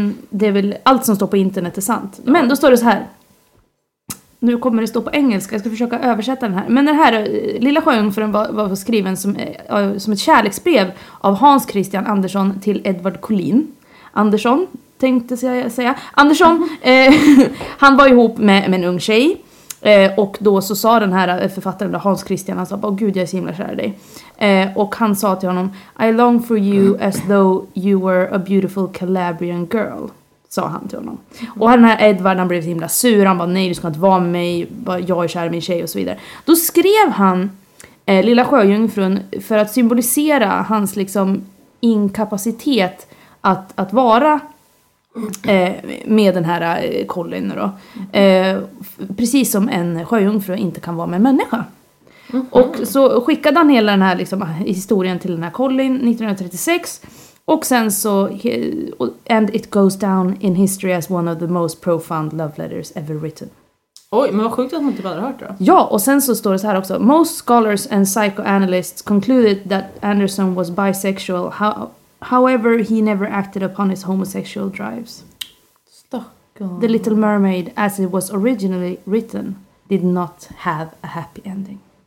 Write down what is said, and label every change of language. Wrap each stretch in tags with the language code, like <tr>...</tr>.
<sv>Det är väl allt som står på internet är sant. Ja. Men då står det så här. Nu kommer det stå på engelska, jag ska försöka översätta den här. Men den här Lilla Sjöjungfrun var skriven som ett kärleksbrev av Hans Christian Andersson till Edvard Collin. Andersson, tänkte jag säga. Andersson, han var ihop med en ung tjej. Och då så sa den här författaren, Hans Christian, han sa, åh gud, jag är så himla kär i dig. Och han sa till honom,</sv> <en>I long for you as though you were a beautiful Calabrian girl.</en> <sv>Sa han till honom. Och den här Edvard, han blev så himla sur. Han bara, nej, du ska inte vara med mig. Jag är kär i min tjej och så vidare. Då skrev han Lilla Sjöjungfrun för att symbolisera hans liksom inkapacitet att vara med den här Colin. Då. Precis som en sjöjungfru inte kan vara med en människa. Mm-hmm. Och så skickade han hela den här liksom, historien till den här Colin 1936. Och sen så,</sv> <en>and it goes down in history as one of the most profound love letters ever written.</en> <sv>Oj, men vad sjukt att man inte bara hört det. Ja, och sen så står det så här också.</sv> <en>Most scholars and psychoanalysts concluded that Anderson was bisexual. However, he never acted upon his homosexual drives.</en> <sv>Stockholm.</sv> <en>The Little Mermaid, as it was originally written, did not have a happy ending.</en>